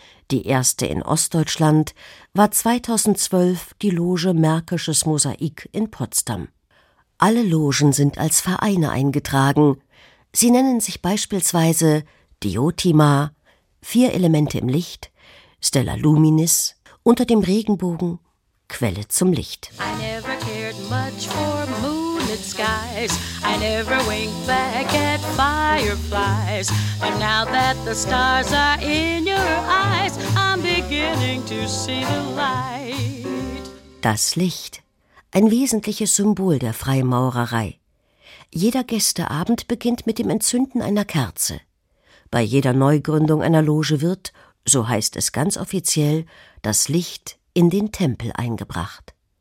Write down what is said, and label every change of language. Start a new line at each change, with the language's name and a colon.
German: Die erste in Ostdeutschland war 2012 die Loge Märkisches Mosaik in Potsdam. Alle Logen sind als Vereine eingetragen. Sie nennen sich beispielsweise Diotima, Vier Elemente im Licht, Stella Luminis, Unter dem Regenbogen, Quelle zum Licht.
English: I never cared much for moonlit skies. I never winked back at fireflies. But now that the stars are in your eyes, I'm beginning to see the light.
German: Das Licht, ein wesentliches Symbol der Freimaurerei. Jeder Gästeabend beginnt mit dem Entzünden einer Kerze. Bei jeder Neugründung einer Loge wird, so heißt es ganz offiziell, das Licht in den Tempel eingebracht.